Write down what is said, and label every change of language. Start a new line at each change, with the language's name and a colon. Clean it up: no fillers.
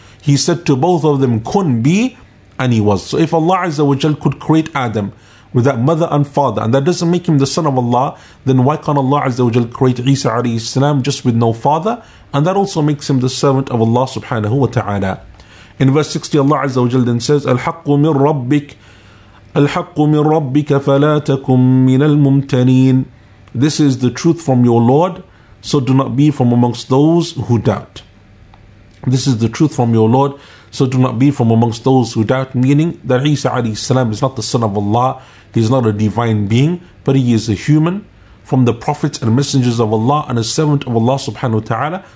English: He said to both of them, kun be, and he was. So if Allah Azza wa Jalla could create Adam with that mother and father, and that doesn't make him the son of Allah, then why can't Allah Azza wa Jalla create Isa alayhi salam just with no father? And that also makes him the servant of Allah subhanahu wa ta'ala. In verse 60, Allah Azza wa Jalla then says, Al-haqqu min rabbik.
Arabic: الحق من ربك فلا تكن من الممتنين.
English: This is the truth from your Lord, so do not be from amongst those who doubt. This is the truth from your Lord, so do not be from amongst those who doubt. Meaning that Isa alayhi salam is not the son of Allah. He is not a divine being, but he is a human from the prophets and messengers of Allah and a servant of Allah subhanahu wa ta'ala.